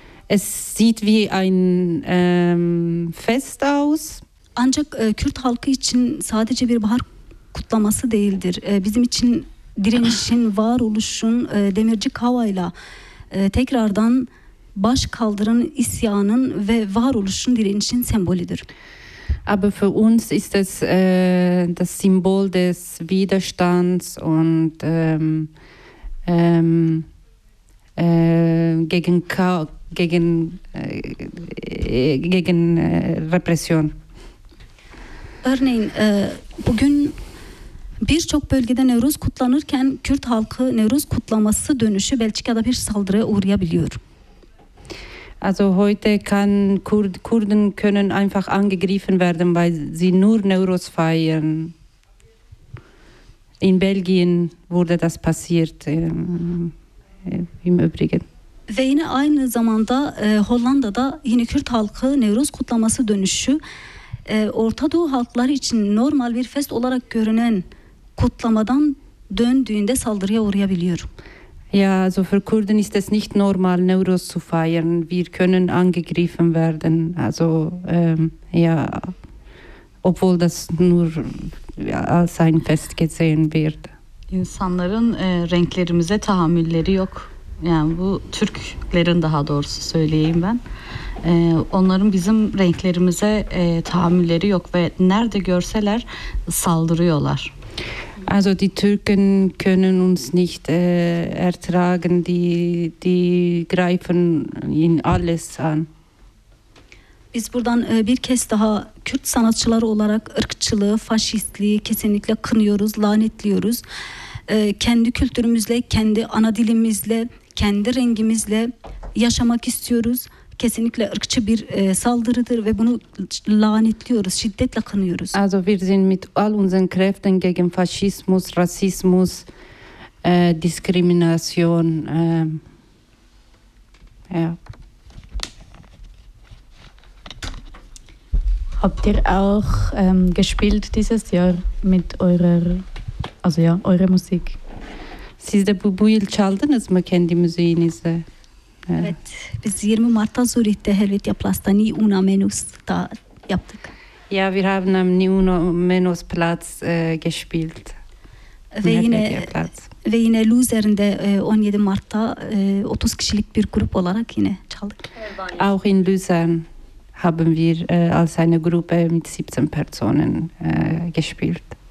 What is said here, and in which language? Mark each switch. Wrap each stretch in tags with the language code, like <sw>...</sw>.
<de>Es sieht wie ein Fest aus.</de> <tr>Ancak Kürt halkı için sadece bir bahar kutlaması değildir. Bizim için direnişin, varoluşun, demirci kavayla tekrardan baş kaldıran isyanın ve varoluşun direnişin sembolüdür.</tr> <de>Aber für uns ist es das Symbol des Widerstands und gegen Repression.</de> <tr>Örneğin bugün birçok bölgede Nevroz kutlanırken Kürt halkı Nevroz kutlaması dönüşü Belçika'da bir saldırıya uğrayabiliyor.</tr> <de>Also heute kann Kurden können einfach angegriffen werden, weil sie nur Nevroz feiern. In Belgien wurde das passiert, im Übrigen.</de> <tr>Ve yine aynı zamanda Hollanda'da yine Kürt halkı Nevroz kutlaması dönüşü Orta Doğu halkları için normal bir fest olarak görünen kutlamadan döndüğünde saldırıya uğrayabiliyor.</tr> <de>Ja, also für Kurden ist es nicht normal, Nevroz zu feiern. Wir können angegriffen werden, also ja, obwohl das nur als ein Fest gesehen wird.</de> <tr>İnsanların renklerimize tahammülleri yok. Yani bu Türklerin, daha doğrusu söyleyeyim ben. Onların bizim renklerimize tahammülleri yok ve nerede görseler saldırıyorlar. Also die Türken können uns nicht ertragen, die greifen in alles an. Biz buradan bir kez daha Kürt sanatçıları olarak ırkçılığı, faşistliği kesinlikle kınıyoruz, lanetliyoruz. Kendi kültürümüzle, kendi ana dilimizle, kendi rengimizle yaşamak istiyoruz. Kesinlikle ırkçı bir saldırıdır ve bunu lanetliyoruz, şiddetle kınıyoruz.</tr> <de>Also wir sind mit all unseren Kräften gegen Faschismus, Rassismus, Diskrimination. Habt ihr auch gespielt dieses Jahr mit eurer Musik?</de> <tr>Siz de bu yıl çaldınız mı kendi müziğinizi? Evet, biz 20 Mart'ta Zürich'te Helvetia Platz'ta Ni Una Menos'ta yaptık.</tr> <de>Ja, wir haben am Ni Una Menos Platz gespielt.</de> <tr>Ve yine Luzern'de 17 Mart'ta 30 kişilik bir grup olarak yine çaldık.</tr> <de>Auch in Luzern haben wir als eine Gruppe mit 17 Personen gespielt.</de>